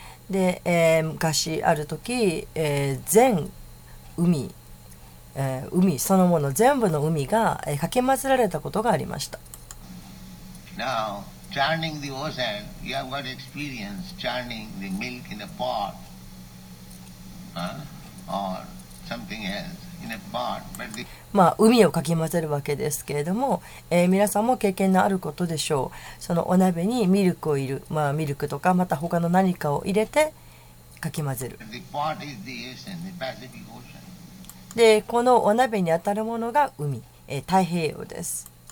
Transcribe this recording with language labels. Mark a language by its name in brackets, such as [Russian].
[Japanese] で、昔ある時、全海、海そのもの全部の海が、かき混ぜられたことがありました。 [English] Now, churning the ocean, you have got experience churning the milk in a pot, or something else in a pot. But the [Japanese] まあ海をかき混ぜるわけですけれども、皆さんも経験のあることでしょう。そのお鍋にミルクを入る、まあミルクとかまた他の何かを入れてかき混ぜる。 [English] The pot is the ocean, the Pacific Ocean. [Japanese] で、このお鍋に当たるものが海、太平洋です。